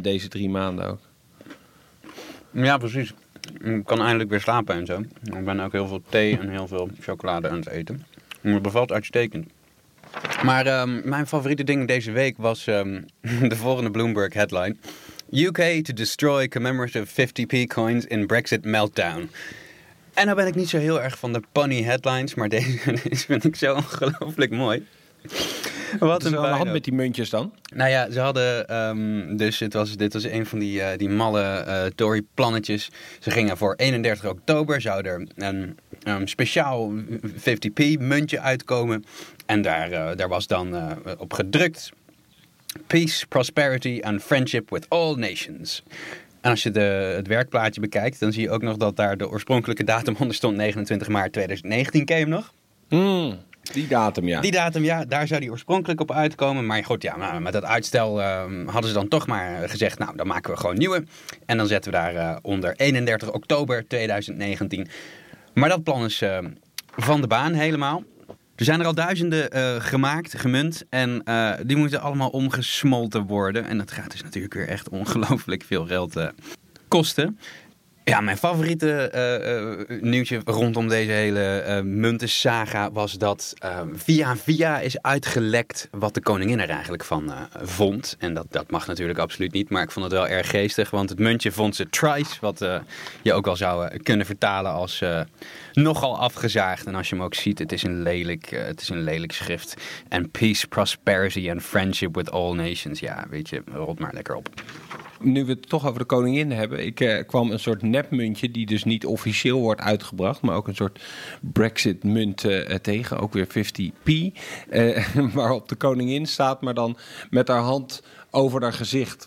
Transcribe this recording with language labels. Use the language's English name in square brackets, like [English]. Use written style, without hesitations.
[Dutch] Deze 3 maanden ook. Ja, precies. Ik kan eindelijk weer slapen en zo. Ik ben ook heel veel thee en heel veel chocolade aan het eten. Het bevalt uitstekend. Maar mijn favoriete ding deze week was de volgende Bloomberg headline. [English] UK to destroy commemorative 50p coins in Brexit meltdown. [Dutch] En nou ben ik niet zo heel erg van de punny headlines, maar deze vind ik zo ongelooflijk mooi. Wat een hand met die muntjes dan? Nou ja, ze hadden dit was een van die malle Tory plannetjes. Ze gingen voor 31 oktober, zou er een speciaal 50p muntje uitkomen. En daar was dan op gedrukt. [English] Peace, prosperity and friendship with all nations. [Dutch] En als je het werkplaatje bekijkt, dan zie je ook nog dat daar de oorspronkelijke datum onder stond. 29 maart 2019 came nog. Die datum, daar zou die oorspronkelijk op uitkomen. Maar goed, ja, met dat uitstel hadden ze dan toch maar gezegd, nou, dan maken we gewoon nieuwe. En dan zetten we daar onder 31 oktober 2019. Maar dat plan is van de baan helemaal. Er zijn er al duizenden gemaakt, gemunt. En die moeten allemaal omgesmolten worden. En dat gaat dus natuurlijk weer echt ongelooflijk veel geld kosten. Ja, mijn favoriete nieuwtje rondom deze hele muntensaga was dat via is uitgelekt wat de koningin er eigenlijk van vond. En dat mag natuurlijk absoluut niet, maar ik vond het wel erg geestig, want het muntje vond ze trice, wat je ook wel zou kunnen vertalen als nogal afgezaagd. En als je hem ook ziet, het is een lelijk schrift. [English] And peace, prosperity and friendship with all nations. [Dutch] Ja, weet je, rot maar lekker op. Nu we het toch over de koningin hebben. Ik kwam een soort nepmuntje die dus niet officieel wordt uitgebracht. Maar ook een soort Brexit munt tegen. Ook weer 50p. Waarop de koningin staat. Maar dan met haar hand over haar gezicht.